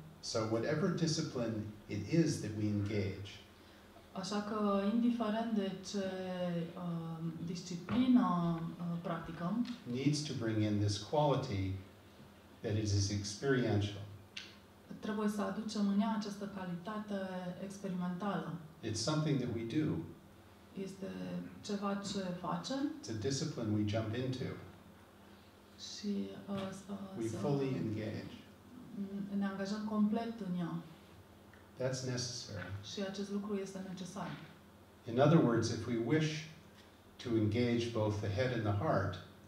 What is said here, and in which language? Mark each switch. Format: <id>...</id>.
<en>So whatever discipline it is that we engage.</en> <ro>Așa că indiferent de ce disciplină practicăm,</ro> <en>needs to bring in this quality that it is experiential.</en> <ro>Trebuie să aducem în ea această calitate experimentală.</ro> <en>It's something that we do.</en> <ro>Este ceva ce facem.</ro> <en>It's a discipline we jump into.</en> <ro>Și</ro> <en>we fully engage.</en> <ro>Ne angajăm complet în ea.</ro> <en>That's necessary.</en> <ro>Și acest lucru este necesar.</ro> <en>In other words, if we wish to engage both the head and the heart.</en>